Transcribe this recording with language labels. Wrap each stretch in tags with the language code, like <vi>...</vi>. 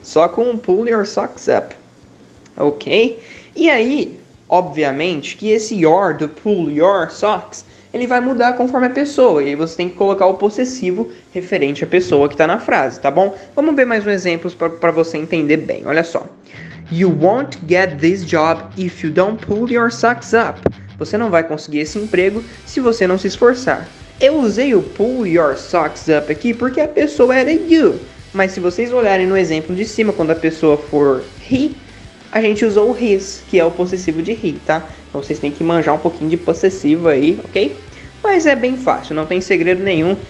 <pt>Só com pull your socks up. Ok? E aí, obviamente, que esse your, do pull your socks, ele vai mudar conforme a pessoa. E aí você tem que colocar o possessivo referente à pessoa que tá na frase, tá bom? Vamos ver mais um exemplo pra você entender bem. Olha só.</pt> <en>You won't get this job if you don't pull your socks up.</en> <pt>Você não vai conseguir esse emprego se você não se esforçar. Eu usei o pull your socks up aqui porque a pessoa era you. Mas se vocês olharem no exemplo de cima, quando a pessoa for he, a gente usou o his, que é o possessivo de he, tá? Então vocês têm que manjar um pouquinho de possessivo aí, ok? Mas é bem fácil, não tem segredo nenhum.</pt>